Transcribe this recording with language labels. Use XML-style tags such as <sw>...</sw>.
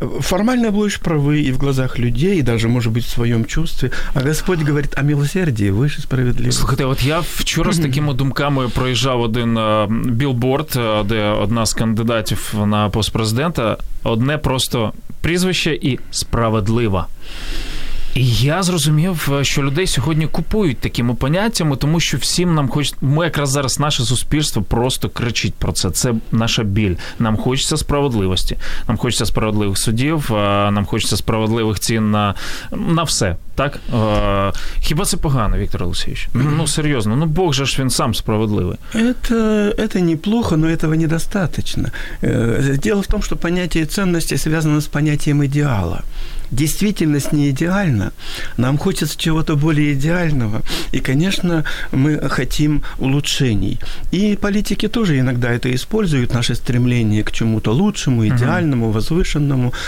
<ru>Формально будешь правы и в глазах людей, и даже, может быть, в своем чувстве. А Господь говорит, а милосердие выше справедливости. Слушайте, вот я вчера с такими думками проезжал один билборд, где одна из кандидатов на пост президента, одне просто прізвище и справедливо.</ru> <uk>І я зрозумів, що людей сьогодні купують такими поняттями, тому що всім нам хочеться, ми якраз зараз, наше суспільство просто кричить про це. Це наша біль. Нам хочеться справедливості. Нам хочеться справедливих судів, нам хочеться справедливих цін на все. Так? Хіба це погано, Віктор Олексійович? Ну, серйозно. Ну, Бог же ж він сам справедливий.</uk> <ru>Это неплохо, но этого недостаточно. Дело в том, что понятие ценности связано с понятием идеала. Действительность не идеальна. Нам хочется чего-то более идеального. И, конечно, мы хотим улучшений. И политики тоже иногда это используют, наше стремление к чему-то лучшему, идеальному, возвышенному.</ru>